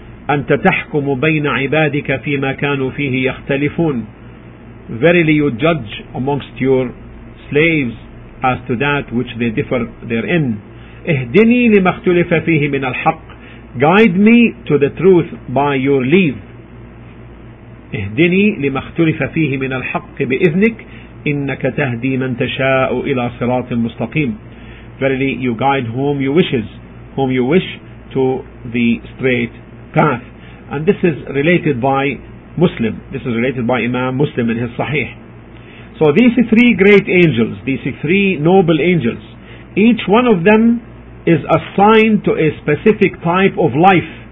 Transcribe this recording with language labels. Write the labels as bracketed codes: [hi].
[ar] أنت تحكم بين عبادك فيما كانوا فيه يختلفون. [en] Verily you judge amongst your slaves as to that which they differ therein. [ar] اهدني لما اختلف فيه من الحق. [en] Guide me to the truth by your leave. [ar] اهدني لما اختلف فيه من الحق بإذنك إنك تهدي من تشاء إلى صراط مستقيم. [en] Verily you guide whom you wishes, whom you wish to the straight path. And this is related by Muslim. This is related by Imam Muslim in his Sahih. So these are three great angels, these are three noble angels. Each one of them is assigned to a specific type of life.